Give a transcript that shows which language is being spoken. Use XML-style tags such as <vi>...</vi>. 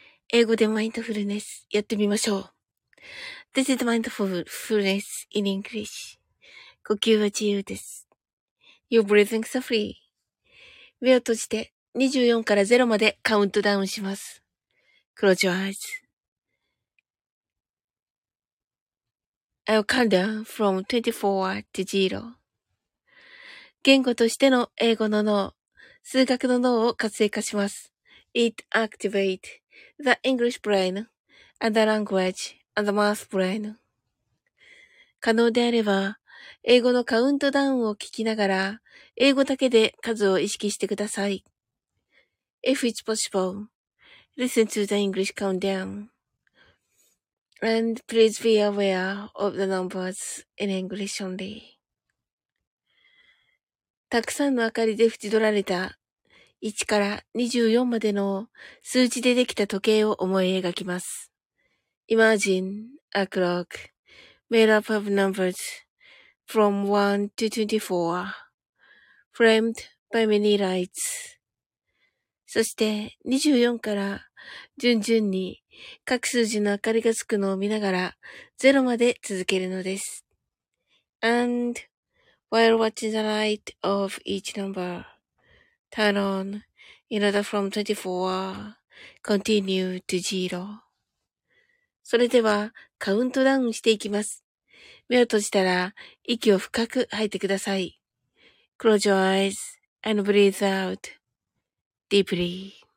<ja>英語でマインドフルネスやってみましょう。</ja> <en>This is mindfulness in English.</en> <ja>呼吸は自由です。</ja> <en>You're breathing so free.</en> <ja>目を閉じて24から0までカウントダウンします。</ja> <en>Close your eyes. I'll count down from 24 to 0.</en> <ja>言語としての英語の脳。数学の脳を活性化します。</ja> <en>It activates the English brain and the language and the math brain.</en> <ja>可能であれば、英語のカウントダウンを聞きながら、英語だけで数を意識してください。</ja> <en>If it's possible, listen to the English countdown. And please be aware of the numbers in English only.</en> <ja>たくさんの明かりで縁取られた1から24までの数字でできた時計を思い描きます。</ja> <en>Imagine a clock made up of numbers from 1 to 24, framed by many lights.</en> <ja>そして24から順々に各数字の明かりがつくのを見ながら0まで続けるのです。</ja> <en>And while watching the light of each number, turn on. In order from 24, continue to zero.</en> <ja>それでは、カウントダウンしていきます。目を閉じたら、息を深く吐いてください。</ja> <en>Close your eyes and breathe out deeply.</en>